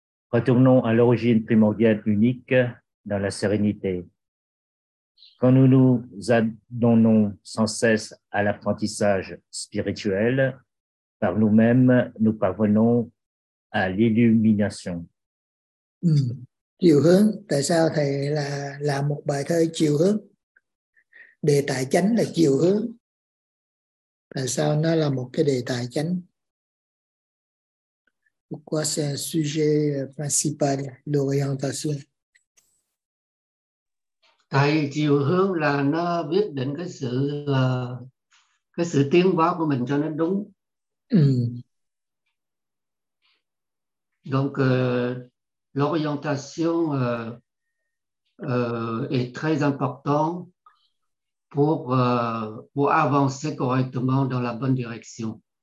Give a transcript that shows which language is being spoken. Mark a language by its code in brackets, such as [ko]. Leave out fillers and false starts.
[fr] Retournons à l'origine primordiale unique dans la sérénité. Quand nous nous adonnons sans cesse à l'apprentissage spirituel, par nous-mêmes, nous parvenons à l'illumination. [vi] Chiều hướng, tại sao thầy là làm một bài thơ chiều hướng? Đề tài chánh là chiều hướng. Tại sao nó là một cái đề tài chánh? [fr] Pourquoi c'est un sujet principal, l'orientation? [vi] Tại chiều hướng là nó quyết định cái sự tiến hóa của mình cho nó đúng. [fr] Donc l'orientation est très important pour avancer correctement dans la bonne direction.